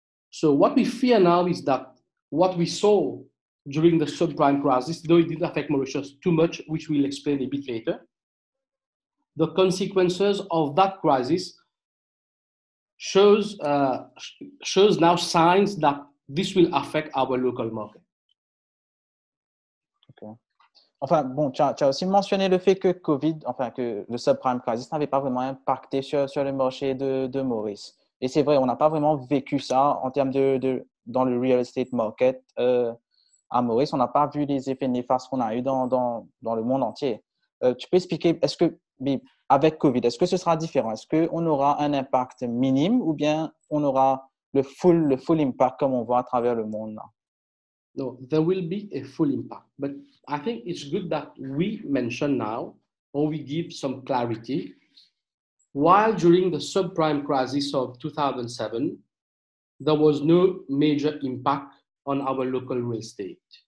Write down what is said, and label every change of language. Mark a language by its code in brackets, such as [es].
[en] So what we fear now is that what we saw during the subprime crisis, though it didn't affect Mauritius too much, which we'll explain a bit later, the consequences of that crisis shows now signs that this will affect our local market. Okay. [fr] Enfin, bon, tu as aussi mentionné le fait que COVID, enfin, que le subprime crisis n'avait pas vraiment impacté sur le marché de Maurice. Et c'est vrai, on n'a pas vraiment vécu ça en termes de dans le real estate market à Maurice. On n'a pas vu les effets néfastes qu'on a eu dans le monde entier. Tu peux expliquer, est-ce que avec COVID, est-ce que ce sera différent? Est-ce qu'on aura un impact minime ou bien on aura le [en] full impact [fr] comme on voit à travers le monde? [en] No, there will be a full impact. But I think it's good that we mention now or we give some clarity. While during the subprime crisis of 2007, there was no major impact on our local real estate.